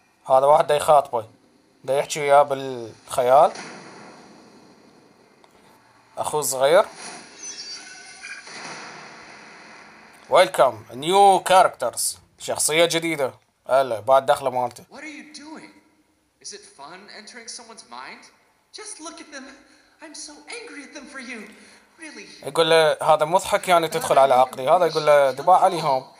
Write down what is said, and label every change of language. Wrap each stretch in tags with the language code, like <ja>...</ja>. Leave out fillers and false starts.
<ar>هذا واحد يخاطبه دا يحكي وياه بالخيال. اخو صغير.</ar> <en>welcome new characters,</en> <ar>شخصية جديدة. هلا بعد دخلة مالته.</ar> <en>What are you doing? Is it fun entering someone's mind? Just look at them. I'm so angry at them for you. Really.</en> <ar>يقول له هذا مضحك يعني تدخل على عقلي، هذا يقول له دباع عليهم.</ar>